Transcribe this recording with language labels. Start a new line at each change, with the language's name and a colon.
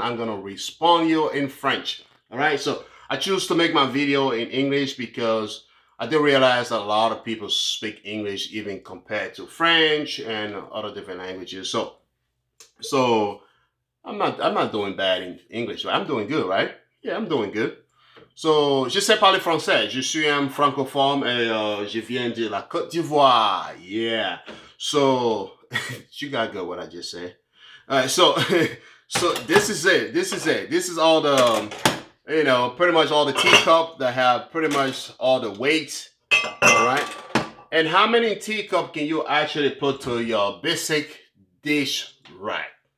English: I'm gonna respond you in French, all right? So I choose to make my video in English because I did realize that a lot of people speak English even compared to French and other different languages. So I'm not doing bad in English, right? I'm doing good, right? Yeah, I'm doing good.
French: So, je sais parler français, je suis un francophone et je viens de la Côte d'Ivoire, yeah.
English: So, you got good what I just said. All right, so this is it, this is it. This is all the, you know, pretty much all the teacup that have pretty much all the weight, all right? And how many teacup can you actually put to your basic dish rack?